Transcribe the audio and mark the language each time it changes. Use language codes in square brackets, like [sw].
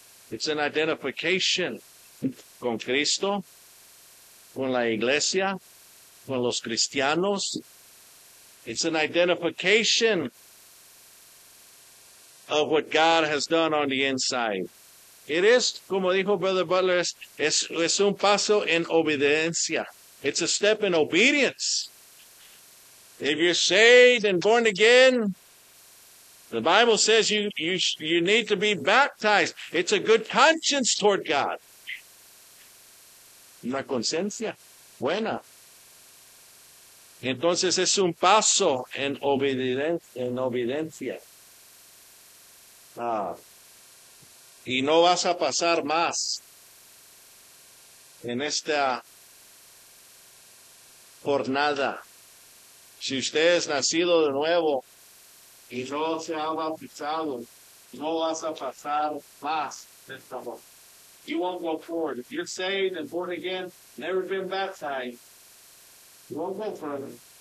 [en] It's an identification. [es] Con Cristo. Con la iglesia. Con los cristianos. [en] It's an identification of what God has done on the inside. It is, [es] como dijo Brother Butler, es un paso en obediencia. [en] It's a step in obedience. If you're saved and born again, the Bible says you need to be baptized. It's a good conscience toward God. [es] Una conciencia buena. Entonces es un paso en obediencia. Y no vas a pasar más en esta jornada. Si usted es nacido de nuevo y no se ha bautizado, no vas a pasar más de esta jornada. [en] You won't go forward. If you're saved and born again, never been baptized, you won't go further.